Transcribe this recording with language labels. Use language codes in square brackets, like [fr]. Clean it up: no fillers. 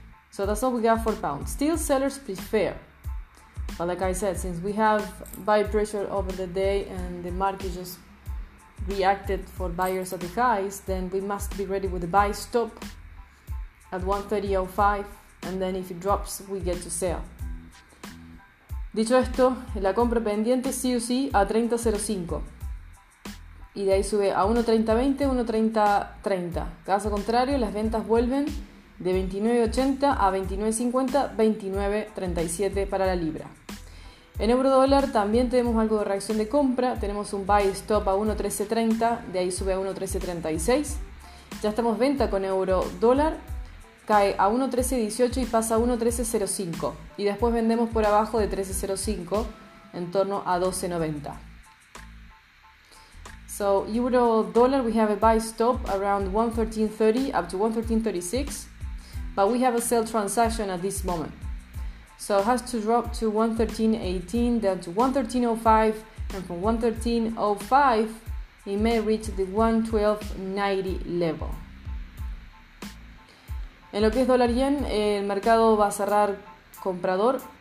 [en] So that's all we got for pound. Still sellers prefer. But like I said, since we have buy pressure over the day and the market just reacted for buyers at the highs, then we must be ready with the buy stop at 130.05. And then if it drops, we get to sell. [es] Dicho esto, la compra pendiente sí o sí a 30.05 y de ahí sube a 1.3020, 1.3030. Caso contrario, las ventas vuelven de 29.80 a 29.50, 29.37 para la libra. En euro dólar también tenemos algo de reacción de compra, tenemos un buy stop a 1.1330, de ahí sube a 1.1336. Ya estamos venta con euro dólar. Cae a 1.1318 y pasa a 1.1305 y después vendemos por abajo de 1.1305 en torno a 12.90. [en] So euro dollar we have a buy stop around 1.1330 up to 1.1336, but we have a sell transaction at this moment. So it has to drop to 1.1318, then to 1.1305, and from 1.1305 it may reach the 1.1290 level. [es] En lo que es dólar yen, el mercado va a cerrar comprador.